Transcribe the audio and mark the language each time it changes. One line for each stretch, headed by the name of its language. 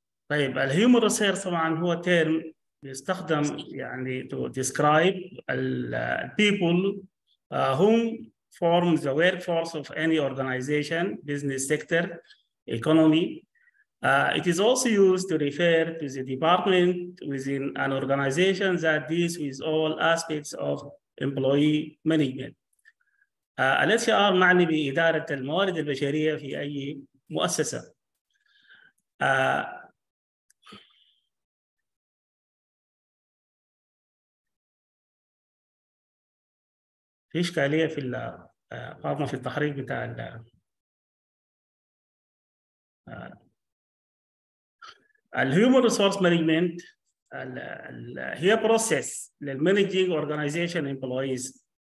Arabic: طيب
English: الهيومن ريسورس
Arabic: طبعا هو
English: term
Arabic: بيستخدم يعني
English: To describe البيبل هم form the work force of any organization business sector economy. It is also used to refer to the department within an organization that deals with all aspects of employee management.
Arabic: الـ HR معني بإدارة الموارد البشرية في أي مؤسسة. في إشكالية في الـ في التحريك بتاع الـ الـ Human Resource Management هي process للـ
English: Managing Organization Employees.